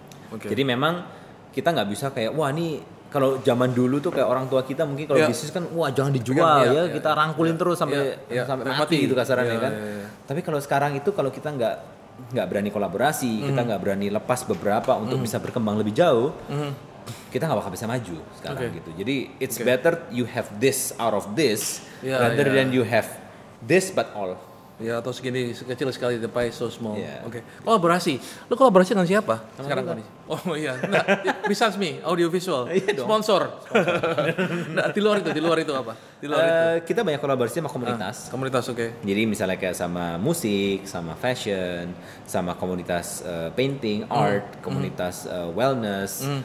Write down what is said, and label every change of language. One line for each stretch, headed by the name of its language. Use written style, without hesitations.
Indonesian: Jadi memang kita nggak bisa kayak wah ini kalau zaman dulu tuh kayak orang tua kita mungkin kalau bisnis kan wah jangan dijual kan, kita rangkulin terus sampai mati gitu kasarannya kan. Tapi kalau sekarang itu kalau kita nggak berani kolaborasi, kita nggak berani lepas beberapa untuk bisa berkembang lebih jauh. Kita nggak bakal bisa maju sekarang gitu. Jadi
English: it's better you have this out of this rather than you have this but all.
Indonesian: Ya atau segini kecil sekali
English: the pie so small.
Indonesian: Kolaborasi. Lu kolaborasi dengan siapa sekarang kan?
English: Besides me, audiovisual sponsor.
Indonesian: Nah, di luar itu. Kita banyak kolaborasi sama komunitas. Jadi misalnya kayak sama musik, sama fashion, sama komunitas painting, art, komunitas wellness.